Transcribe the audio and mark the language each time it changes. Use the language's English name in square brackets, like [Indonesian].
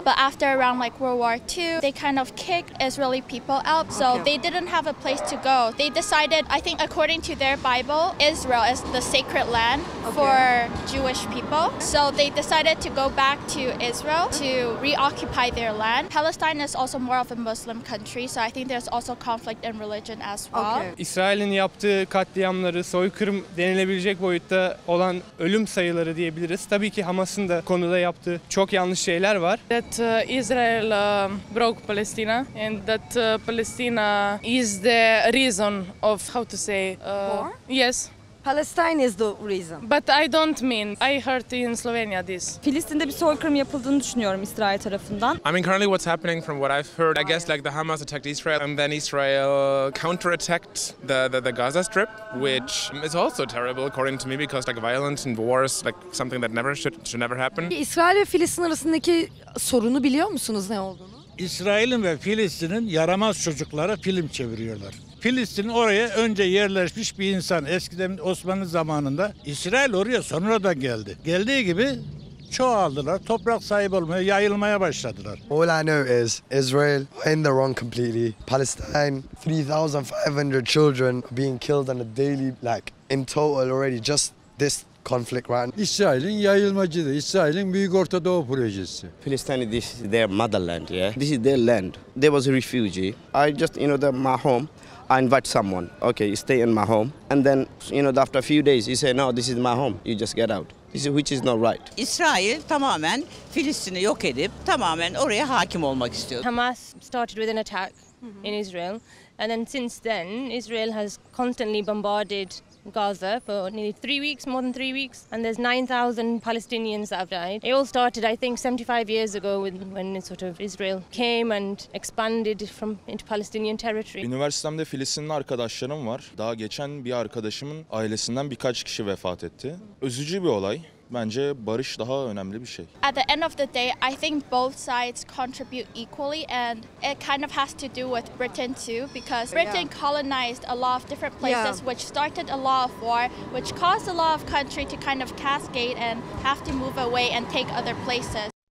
[English] But after around like World War II, they kind of kicked Israeli people out. So they didn't have a place to go. They decided, I think according to their Bible, Israel is the sacred land for Jewish people. So they decided to go back to Israel to reoccupy their land. Palestine is also more of a Muslim country, so I think there's also conflict in religion as well. Okay. [Turkish] İsrail'in yaptığı katliamları, soykırım denilebilecek boyutta olan ölüm sayıları diyebiliriz. Tabii ki Hamas'ın da konuda yaptığı çok yanlış şeyler var. [English] That Israel broke Palestine and that Palestine is the reason of how to say war? Yes. Palestine is the reason. But I don't mean. I heard in Slovenia this. [Turkish] Filistin'de bir soykırım yapıldığını düşünüyorum İsrail tarafından. [English] I mean currently what's happening from what I've heard, I guess like the Hamas attacked Israel and then Israel counterattacked the Gaza Strip, which is also terrible according to me because like violence and wars like something that never should never happen. [Turkish] İsrail ve Filistin arasındaki sorunu biliyor musunuz ne olduğunu? İsrail'in ve Filistin'in yaramaz çocuklara film çeviriyorlar. Filistin oraya önce yerleşmiş bir insan. Eskiden Osmanlı zamanında İsrail oraya sonra da geldi. Geldiği gibi çoğaldılar, toprak sahibi olmaya, yayılmaya başladılar. [English] All I know is Israel in the wrong completely. Palestine, 3,500 children being killed on a daily, like in total already just this conflict right now. [Turkish] İsrail'in yayılmacıdır. İsrail'in Büyük Orta Doğu projesi. [English] Palestine, this is their motherland, yeah? This is their land. There was a refugee. I just, you know, that my home. I invite someone, okay, stay in my home. And then, you know, after a few days, you say, no, this is my home, you just get out. You see, which is not right. [Turkish] İsrail tamamen Filistin'i yok edip tamamen oraya hakim olmak istiyor. [English] Hamas started with an attack in Israel. And then since then, Israel has constantly bombarded Gaza for nearly 3 weeks, more than 3 weeks, and there's 9,000 Palestinians that have died. It all started, I think, 75 years ago when sort of Israel came and expanded from into Palestinian territory. [Turkish] Üniversitemde Filistinli arkadaşlarım var. Daha geçen bir arkadaşımın ailesinden birkaç kişi vefat etti. Üzücü bir olay. Bence barış daha önemli bir şey. [English] At the end of the day, I think both sides contribute equally, and it kind of has to do with Britain too, because Britain colonized a lot of different places, which started a lot of war, which caused a lot of country to kind of cascade and have to move away and take other places.